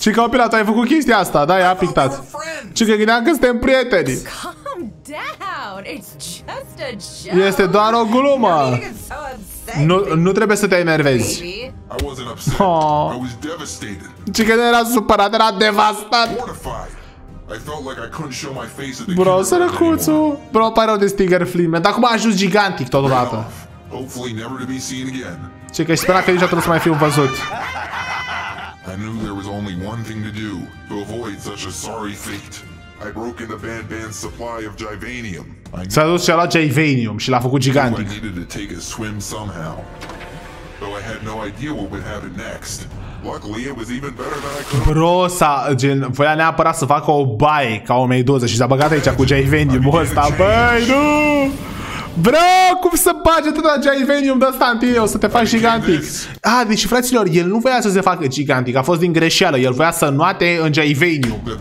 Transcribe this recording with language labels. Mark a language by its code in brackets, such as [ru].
[ro] Ce că, Applebird, ai făcut chestia asta, da, i-a pictat. Ce că gândeam că suntem prieteni. [en] Calm down, it's just a joke. [ro] Este doar o glumă. Nu trebuie să te enervezi. [en] I wasn't upset. Oh. I was devastated. [ro] Ce că era supărat, era devastat. [en] I felt like I couldn't show my face at the. [ro] Bro, sărăcuțu. Bro, pare rău de Stinger Flynn, man. Dar acum a ajuns gigantic totodată. [en] Hopefully never to be seen again. [ro] Ce că spera că niciodată nu să mai fiu văzut. [en] I knew there was only one thing to do to avoid such a sorry fate. I broke into Ban Ban's supply of Jivanium. [ro] S-a dus și a luat Jivanium și l-a făcut gigantic. [en] I needed to take a swim somehow. Though I had no idea what would happen next. Luckily, it was even better than I could. [ro] Bro, voia neapărat să facă o baie ca o meduză și s-a băgat aici cu Jivanium ăsta. Băi, nu! Bro, cum să bagi atâta Jivanium de ăsta în tine? O să te faci gigantic. Ah, deci fraților, el nu voia să se facă gigantic. A fost din greșeală. El voia să noate în Jivanium.